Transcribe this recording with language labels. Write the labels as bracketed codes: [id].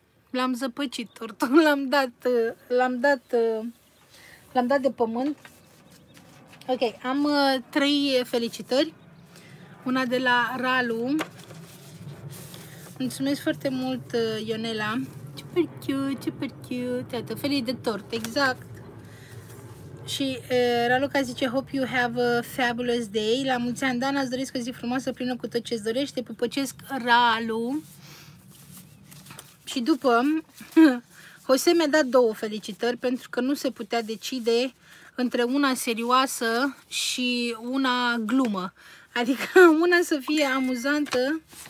[ro] L-am zăpăcit tortul, l-am dat de pământ. Ok, am 3 felicitări. Una de la Ralu. Mulțumesc foarte mult, Ionela. [en] Super cute, super cute. [ro] Iată, felii de tort, exact. Și Raluca zice, [en] hope you have a fabulous day. [ro] La mulți ani, Dana, îți doresc o zi frumoasă, plină cu tot ce-ți dorești. Pupăcesc, Ralu. Și după, Jose mi-a dat 2 felicitări, pentru că nu se putea decide între una serioasă și una glumă. Adică una să fie amuzantă